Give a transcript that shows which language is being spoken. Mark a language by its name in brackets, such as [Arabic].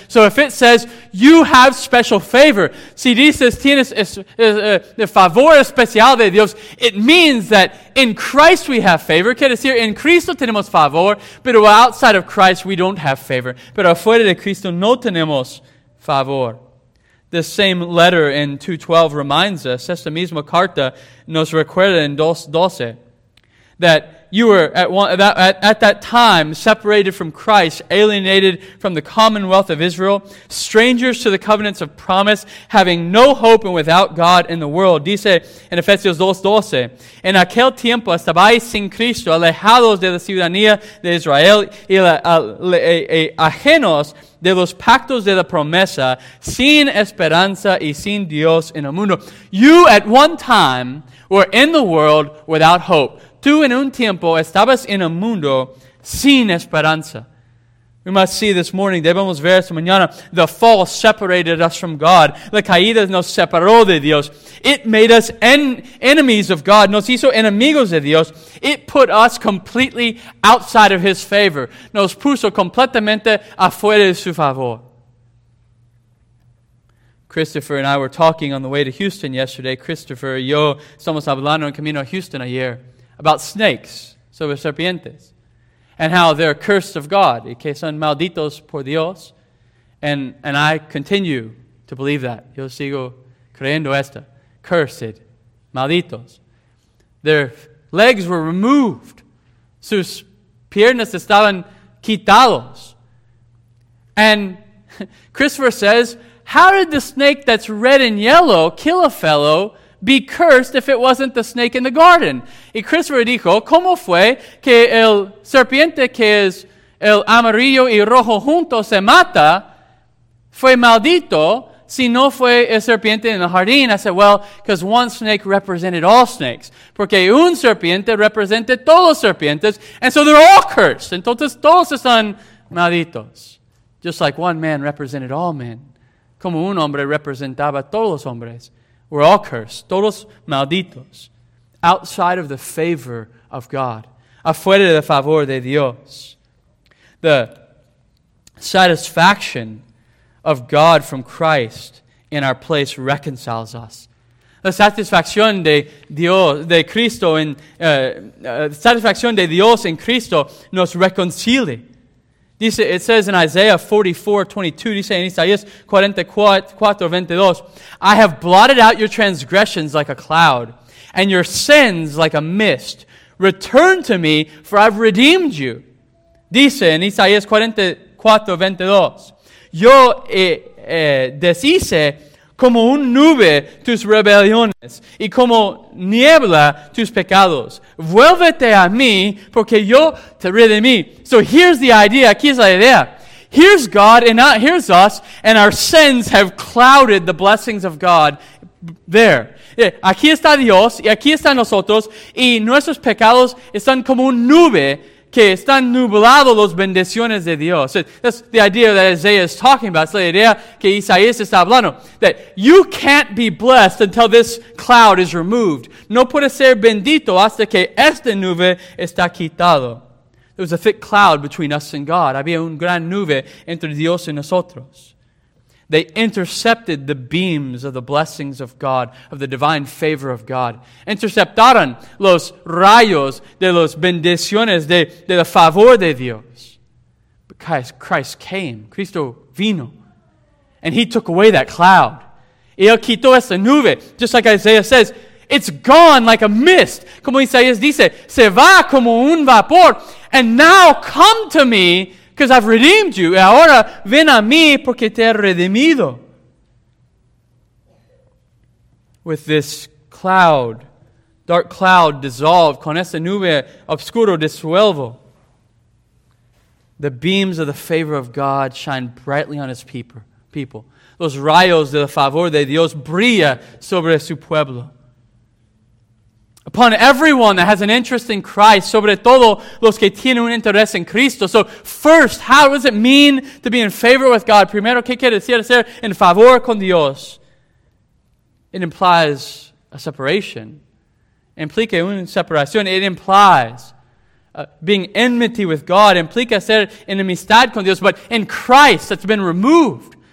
[English] So if it says, you have special favor, [Spanish] si dices tienes favor especial de Dios, [English] it means that in Christ we have favor. [Spanish] Quiere decir, en Cristo tenemos favor, pero [English] outside of Christ we don't have favor. [Spanish] Pero afuera de Cristo no tenemos favor. [English] The same letter in 2:12 reminds us, [Spanish] esta misma carta nos recuerda en 2:12, [English] that you were at that time separated from Christ, alienated from the commonwealth of Israel, strangers to the covenants of promise, having no hope and without God in the world. [Spanish] Dice en Efesios 2:12, en aquel tiempo estabais sin Cristo, alejados de la ciudadanía de Israel y ajenos de los pactos de la promesa, sin esperanza y sin Dios en el mundo. [English] You at one time were in the world without hope. [Spanish] Tú en un tiempo estabas en el mundo sin esperanza. [English] We must see this morning, [Spanish] debemos ver esta mañana, [English] the fall separated us from God. [Spanish] La caída nos separó de Dios. [English] It made us enemies of God. [Spanish] Nos hizo enemigos de Dios. [English] It put us completely outside of His favor. [Spanish] Nos puso completamente afuera de su favor. [English] Christopher and I were talking on the way to Houston yesterday. [Spanish] Christopher y yo estamos hablando en camino a Houston ayer [English] about snakes, [Spanish] sobre serpientes. [English] And how they're cursed of God, [Spanish] y que son malditos por Dios. [English] And I continue to believe that. [Spanish] Yo sigo creyendo esta. [English] Cursed, [Spanish] malditos. [English] Their legs were removed. [Spanish] Sus piernas estaban quitados. [English] And Christopher says, how did the snake that's red and yellow kill a fellow be cursed if it wasn't the snake in the garden? [Spanish] Y Christopher dijo, ¿cómo fue que el serpiente que es el amarillo y rojo junto se mata fue maldito si no fue el serpiente en el jardín? [English] I said, well, because one snake represented all snakes. [Spanish] Porque un serpiente representa todos los serpientes, [English] and so they're all cursed. [Spanish] Entonces todos están malditos. [English] Just like one man represented all men. [Spanish] Como un hombre representaba todos los hombres. [English] We're all cursed, [Spanish] todos malditos, [English] outside of the favor of God, [Spanish] afuera de favor de Dios. [English] The satisfaction of God from Christ in our place reconciles us. [Spanish] La satisfacción de Dios, de Cristo en satisfacción de Dios en Cristo nos reconcilia. Dice, [English] it says in Isaiah 44:22, [Spanish] dice en Isaías 44:22, [English] I have blotted out your transgressions like a cloud, and your sins like a mist. Return to me, for I've redeemed you. [Spanish] Dice en Isaías 44:22, yo deshice como un nube tus rebeliones, y como niebla tus pecados. Vuélvete a mí, porque yo te redimí. [English] So here's the idea, [Spanish] aquí es la idea. [English] Here's God, and not here's us, and our sins have clouded the blessings of God there. [Spanish] Aquí está Dios, y aquí están nosotros, y nuestros pecados están como un nube, que están nublados los bendiciones de Dios. [English] That's the idea that Isaiah is talking about. It's the idea [Spanish] que Isaías está hablando. [English] That you can't be blessed until this cloud is removed. [Spanish] No puede ser bendito hasta que esta nube está quitado. [English] There was a thick cloud between us and God. [Spanish] Había un gran nube entre Dios y nosotros. [English] They intercepted the beams of the blessings of God, of the divine favor of God. [Spanish] Interceptaron los rayos de los bendiciones de la favor de Dios. [English] Because Christ came, [Spanish] Cristo vino, [English] and He took away that cloud. [Spanish] Y Él quitó esa nube, [English] just like Isaiah says, it's gone like a mist. [Spanish] Como Isaías dice, se va como un vapor. [English] And now come to me, because I've redeemed you. [Spanish] Ahora ven a mí porque te he redimido. [English] With this cloud, dark cloud dissolved, [Spanish] con esa nube oscuro disuelvo, [English] the beams of the favor of God shine brightly on His people. [Spanish] Los rayos de la favor de Dios brilla sobre su pueblo. [English] Upon everyone that has an interest in Christ, [Spanish] sobre todo los que tienen un interés en Cristo. [English] So first, how does it mean to be in favor with God? [Spanish] Primero, ¿qué quiere decir ser en favor con Dios? [English] It implies a separation. [Spanish] Implica una separación. [English] It implies being enmity with God. [Spanish] Implica ser enemistad con Dios. [English] But in Christ, that's been removed.